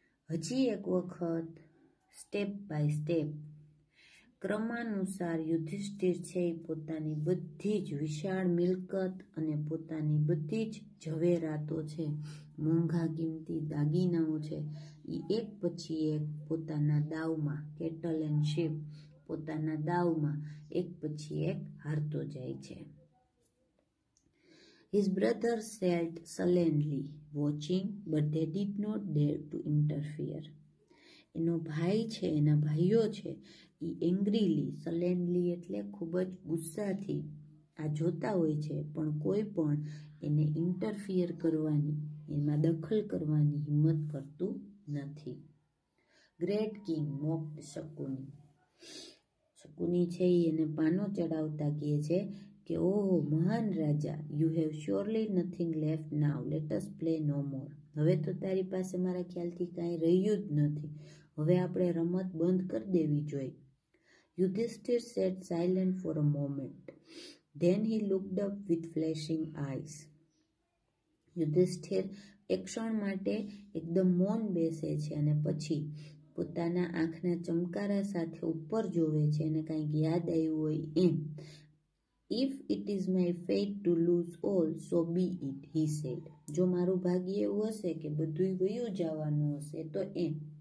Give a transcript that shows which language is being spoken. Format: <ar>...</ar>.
<gu>હજી એક વખત સ્ટેપ બાય સ્ટેપ, ક્રમાનુસાર યુધિષ્ઠિર છે એ પોતાની બધી જ વિશાળ મિલકત અને પોતાની બધી જ ઝવેરાતો છે, મોંઘા કિંમતી દાગીનાઓ છે, એ એક પછી એક પોતાના દાવમાં,</gu> <en>cattle and sheep,</en> <gu>પોતાના દાવમાં એક પછી એક હારતો જાય છે.</gu> <en>His brother sat sullenly watching, but they did not dare to interfere.</en> <gu>એનો ભાઈ છે, એના ભાઈઓ છે, એ એંગ્રીલી, સલેન્ડલી એટલે ખૂબ જ ગુસ્સાથી આ જોતા હોય છે, પણ કોઈ પણ એને ઇન્ટરફિયર કરવાની, એમાં દખલ કરવાની હિંમત કરતું નથી.</gu> <en>Great king mocked Shakuni.</en> <gu>શકુની છે એને પાનો ચડાવતા કહે છે કે ઓહો મહાન રાજા,</gu> <en>You have surely nothing left now, let us play no more.</en> <gu>હવે તો તારી પાસે મારા ખ્યાલથી કાંઈ રહ્યું જ નથી, હવે આપણે રમત બંધ કરી દેવી જોઈએ.</gu> <en>Yudhishthira sat silent for a moment, then he looked up with flashing eyes.</en> <gu>Yudhishthir એક ક્ષણ માટે એકદમ મૌન બેસે છે અને પછી પોતાના આંખના ચમકારા સાથે ઉપર જોવે છે અને કાંઈક યાદ આવ્યું હોય એમ.</gu> <en>If it is my fate to lose all, so be it, he said.</en> <gu>જો મારું ભાગ્ય એવું હશે કે બધું વયું જવાનું હશે તો એમ.</gu>